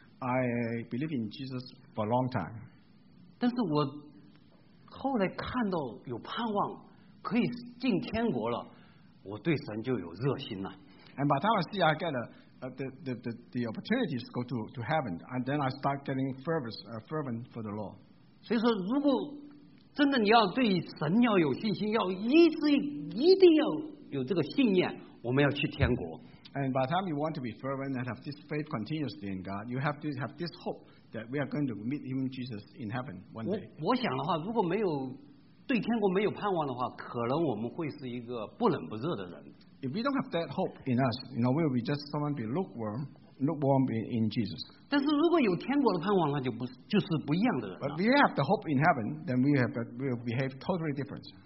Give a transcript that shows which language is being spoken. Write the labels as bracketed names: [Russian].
[English] I believe in Jesus for a long time. [Chinese] 但是我后来看到有盼望可以进天国了，我对神就有热心了。 [English] And by the time I see I get the opportunity to go to heaven, and then I start getting fervent for the Lord. [Chinese] 所以说，如果真的你要对神要有信心，要一定要有这个信念，我们要去天国。 [English] And by the time you want to be fervent and have this faith continuously in God, you have to have this hope that we are going to meet him, Jesus, in heaven one day. [Chinese] 我想的话，如果没有对天国没有盼望的话，可能我们会是一个不冷不热的人。 [English] If we don't have that hope in us, you know, we will be just someone be lukewarm in Jesus. [Chinese] 但是如果有天国的盼望，那就是不一样的人了。 [English] But if we have the hope in heaven, then we will behave totally different.